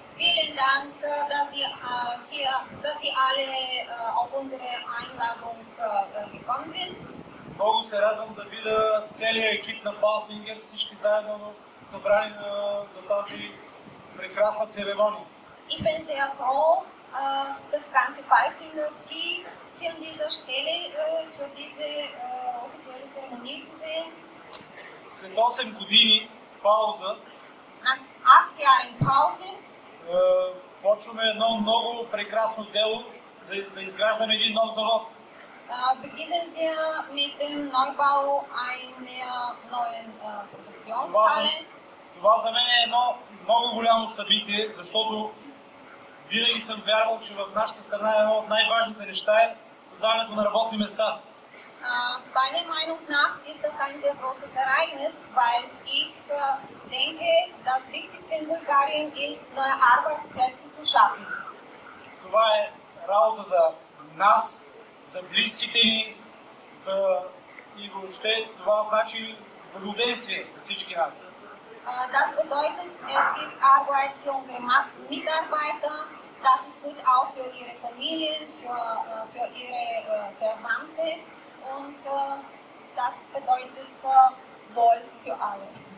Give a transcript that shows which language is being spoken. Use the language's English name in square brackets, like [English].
[German] Vielen Dank, dass Sie alle auf unsere Einladung gekommen sind. [Bulgarian] Много се радвам да видя целия екип на Палфингер, всички заедно събрани за тази прекрасна церемония. [German] Ich bin sehr froh, das ganze Palfinger Team hier an dieser Stelle für diese offizielle Zeremonie zu sehen. [Bulgarian] След 8 години пауза. [German] Nach 8 Jahren Pause. [Bulgarian] Почваме едно много прекрасно дело за да изграждаме един нов завод. [German] Beginnen wir mit dem Neubau einer neuen Produktionshalle. [Bulgarian] Това за мен е едно много голямо събитие, защото винаги съм вярвал, че в нашата страна едно от най-важните неща е създаването на работни места. [German] Meiner Meinung nach ist das ein sehr großes Ereignis, weil ich denke, das Wichtigste in Bulgarien ist, neue Arbeitsplätze zu schaffen. [Bulgarian] Това е работа за нас, за близките ни, за и въобще това значи благоденствие за всички нас. [German] Das bedeutet, es gibt Arbeit für unsere Mitarbeiter, das ist gut auch für ihre Familien, für ihre Verwandte. Und das bedeutet wohl für alle.